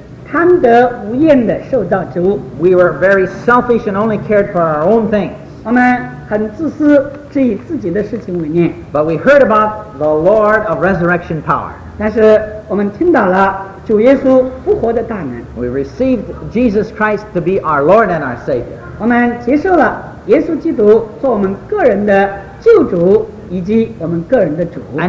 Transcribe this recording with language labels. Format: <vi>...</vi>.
<zh>在过去，我们是贪得无厌的受造之物。</zh> <en>We were very selfish and only cared for our own things.</en> <zh>我们很自私，只以自己的事情为念。</zh> <en>But we heard about the Lord of resurrection power.</en> <zh>但是我们听到了主耶稣复活的大能。</zh> <en>We received Jesus Christ to be our Lord and our Savior.</en> <zh>我们接受了耶稣基督做我们个人的救主以及我们个人的主。</zh> <en>And</en>